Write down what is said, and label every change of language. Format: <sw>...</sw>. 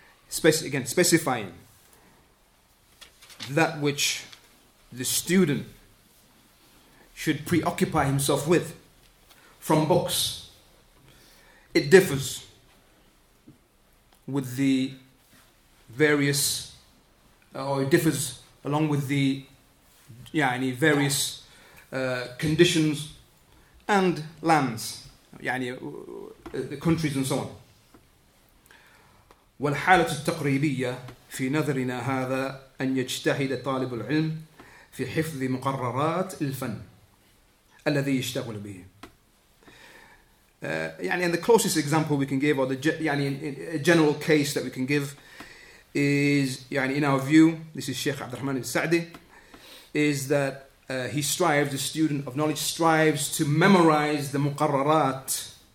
<en>Specifying that which the student should preoccupy himself with from books, it differs with the various, or it differs along with the various conditions and lands, the countries and so on.</en> <ar>والحالة التقريبية في نظرنا هذا أن يجتهد طالب العلم في حفظ مقررات الفن الذي يشتغل به.</ar> <en>And the closest example we can give, or the general case that we can give, is in our view, this is Sheikh Abd al-Rahman al-Sa'di, is that the student of knowledge strives to memorize the مقررات,</en>